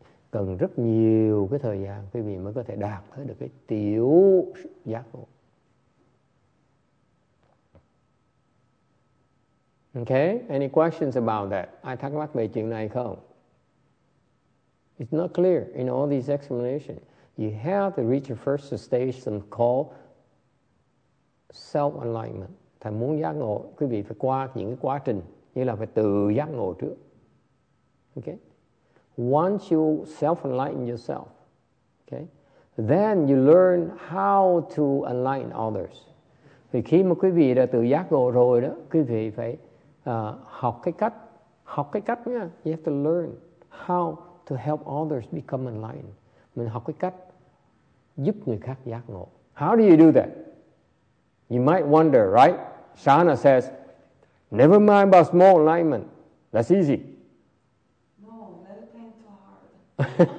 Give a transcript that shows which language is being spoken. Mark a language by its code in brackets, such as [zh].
[vi] Cần rất nhiều cái thời gian quý vị mới có thể đạt tới được cái tiểu giác ngộ. [en] Okay, any questions about that? [vi] Ai thắc mắc về chuyện này không? [en] It's not clear in all these explanations. You have to reach a first stage called self-enlightenment. [vi] Thầy muốn giác ngộ, quý vị phải qua những cái quá trình như là phải tự giác ngộ trước. [en] Okay? Once you self-enlighten yourself, okay, then you learn how to enlighten others. [vi] Thì khi mà quý vị đã tự giác ngộ rồi đó, quý vị phải học cái cách nha. [en] You have to learn how to help others become enlightened. [vi] Mình học cái cách giúp người khác giác ngộ. [en] How do you do that? You might wonder, right? Shana says, never mind about small enlightenment. That's easy. No, meditating too hard.